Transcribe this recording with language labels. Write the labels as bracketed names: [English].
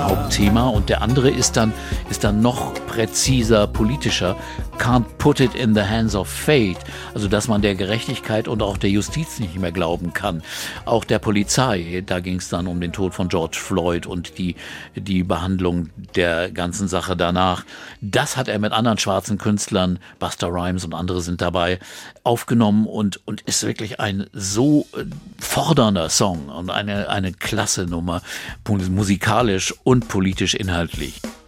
[German] Thema. Und der andere ist dann noch präziser, politischer. [English] Can't put it in the hands of fate. [German] Also, dass man der Gerechtigkeit und auch der Justiz nicht mehr glauben kann. Auch der Polizei. Da ging es dann um den Tod von George Floyd und die Behandlung der ganzen Sache danach. Das hat er mit anderen schwarzen Künstlern, Busta Rhymes und andere sind dabei, aufgenommen, und ist wirklich ein so fordernder Song und eine klasse Nummer, musikalisch und politisch inhaltlich.